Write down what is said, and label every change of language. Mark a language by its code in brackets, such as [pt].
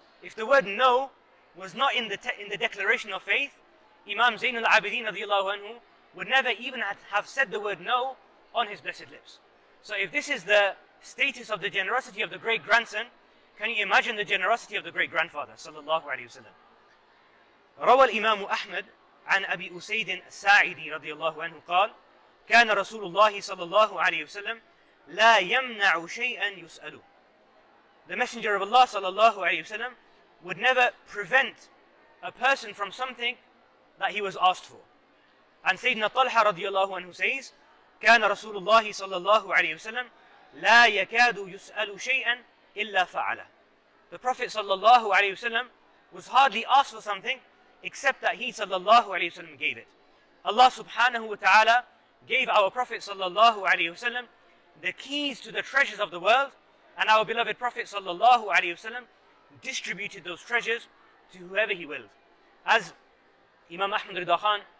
[en] If the word no was not in the declaration of faith, Imam Zain al-Abidin radiyallahu anhu would never even have said the word no on his blessed lips. So if this is the status of the generosity of the great grandson, can you imagine the generosity of the great grandfather sallallahu alayhi wa sallam? [ar] Rawal Imam Ahmad عن أبي أسيد الساعدي رضي الله عنه قال كان رسول الله صلى الله عليه وسلم لا يمنع شيئا يسأله. [en] The Messenger of Allah صلى الله عليه وسلم would never prevent a person from something that he was asked for. [ar] And سيدنا طلحة رضي الله عنه says كان رسول الله صلى الله عليه وسلم لا يكاد يسأل شيئا إلا فعله. [en] The Prophet صلى الله عليه وسلم was hardly asked for something except that he sallallahu alayhi wa sallam gave it. Allah subhanahu wa ta'ala gave our Prophet sallallahu alayhi wa sallam the keys to the treasures of the world, and our beloved Prophet sallallahu alayhi wa sallam distributed those treasures to whoever he willed. As Imam Ahmad Ridha Khan